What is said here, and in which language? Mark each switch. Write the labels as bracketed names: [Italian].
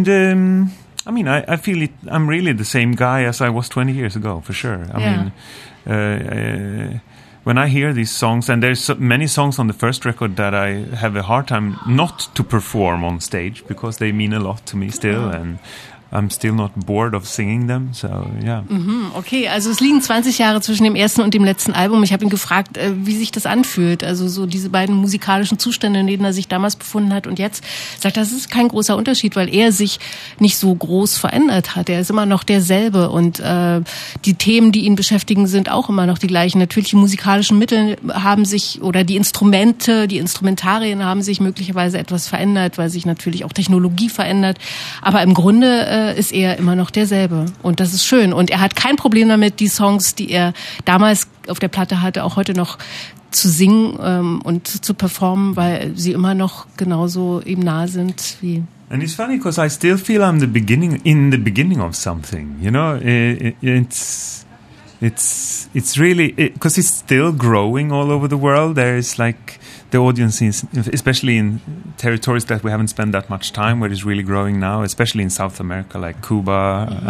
[English] I feel it. I'm really the same guy as I was 20 years ago, for sure. When I hear these songs, and there's many songs on the first record that I have a hard time not to perform on stage because they mean a lot to me still, and I'm still not bored of singing them, so yeah. Mm-hmm. [German] Okay, also es liegen 20 Jahre zwischen dem ersten und dem letzten Album. Ich habe ihn gefragt, wie sich das anfühlt, also so diese beiden musikalischen Zustände, in denen er sich damals befunden hat und jetzt. Sagt, das ist kein großer Unterschied, weil er sich nicht so groß verändert hat. Er ist immer noch derselbe und die Themen, die ihn beschäftigen, sind auch immer noch die gleichen. Natürlich, die musikalischen Mittel haben sich, oder die Instrumente, die Instrumentarien haben sich möglicherweise etwas verändert, weil sich natürlich auch Technologie verändert. Aber im Grunde ist er immer noch derselbe. Und das ist schön. Und er hat kein Problem damit, die Songs, die er damals auf der Platte hatte, auch heute noch zu singen und zu performen, weil sie immer noch genauso ihm nah sind wie... [English] And it's funny, because I still feel I'm in the beginning of something. You know, it's really... Because it's still growing all over the world. There is like... The audience is, especially in territories that we haven't spent that much time, where it's really growing now, especially in South America, like Cuba, mm-hmm.